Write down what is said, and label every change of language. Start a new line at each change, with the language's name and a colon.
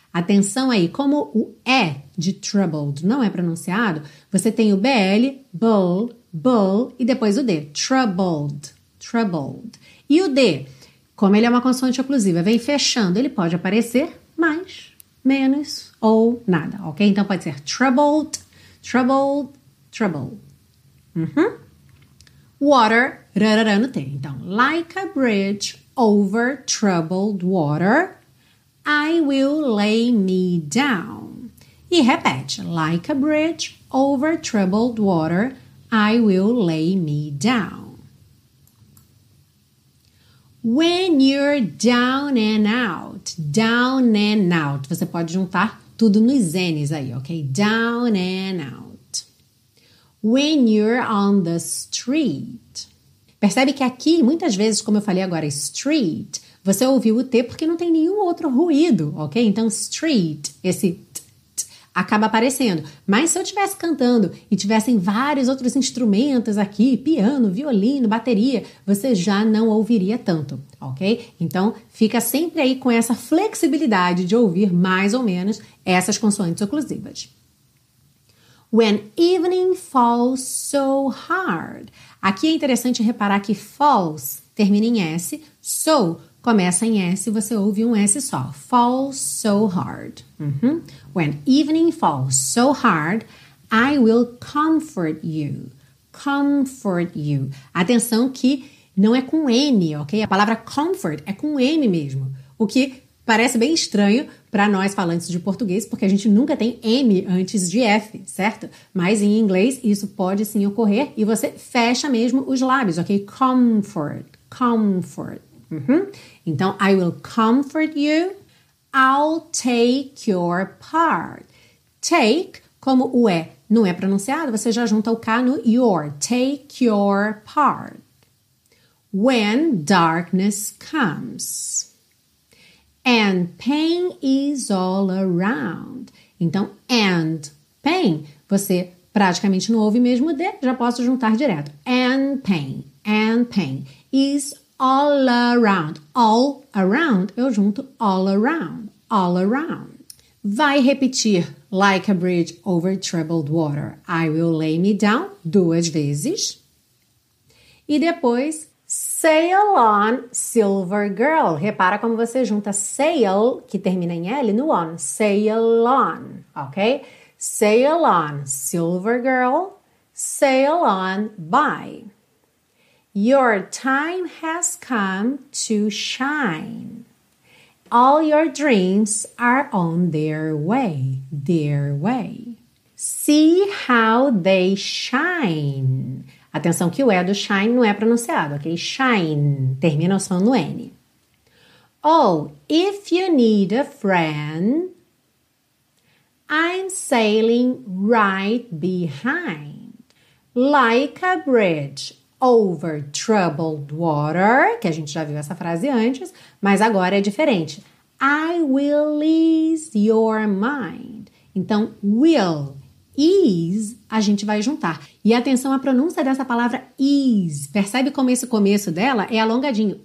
Portuguese: Atenção aí, como o E de troubled não é pronunciado, você tem o BL, bull, bull, e depois o D, troubled, troubled. E o D, como ele é uma consoante oclusiva, vem fechando, ele pode aparecer mais, menos ou nada, ok? Então pode ser troubled, troubled, troubled. Uhum. Water, rarara no T.
English: Então, like a bridge over troubled water, I will lay me down.
Portuguese: E repete,
English: like a bridge over troubled water, I will lay me down. When you're down and out, down and out.
Portuguese: Você pode juntar tudo nos N's aí, ok?
English: Down and out. When you're on the street.
Portuguese: Percebe que aqui, muitas vezes, como eu falei agora, street, você ouviu o T porque não tem nenhum outro ruído, ok? Então, street, esse t, t, acaba aparecendo. Mas se eu estivesse cantando e tivessem vários outros instrumentos aqui, piano, violino, bateria, você já não ouviria tanto, ok? Então, fica sempre aí com essa flexibilidade de ouvir mais ou menos essas consoantes oclusivas.
English: When evening falls so hard.
Portuguese: Aqui é interessante reparar que falls termina em S, so começa em S e você ouve um S só.
English: Falls so hard. Uhum. When evening falls so hard, I will comfort you. Comfort you.
Portuguese: Atenção que não é com N, ok? A palavra comfort é com M mesmo. O que parece bem estranho para nós falantes de português, porque a gente nunca tem M antes de F, certo? Mas em inglês isso pode sim ocorrer e você fecha mesmo os lábios, ok?
English: Comfort. Comfort. Uhum. Então, I will comfort you, I'll take your part.
Portuguese: Take, como o E não é pronunciado, você já junta o K no your,
English: take your part. When darkness comes, and pain is all around.
Portuguese: Então, and pain, você praticamente não ouve mesmo o D, já posso juntar direto.
English: And pain is all around, all around,
Portuguese: eu junto
English: all around, all around.
Portuguese: Vai repetir,
English: like a bridge over troubled water, I will lay me down,
Portuguese: duas vezes. E depois,
English: sail on, silver girl.
Portuguese: Repara como você junta sail, que termina em L, no on, sail on, ok?
English: Sail on, silver girl, sail on, bye. Your time has come to shine. All your dreams are on their way, their way. See how they shine.
Portuguese: Atenção que o E do shine não é pronunciado, ok? Shine, termina o som no N.
English: Oh, if you need a friend, I'm sailing right behind. Like a bridge over troubled water,
Portuguese: que a gente já viu essa frase antes, mas agora é diferente.
English: I will ease your mind.
Portuguese: Então, will, ease, a gente vai juntar. E atenção à pronúncia dessa palavra ease. Percebe como esse começo dela é alongadinho.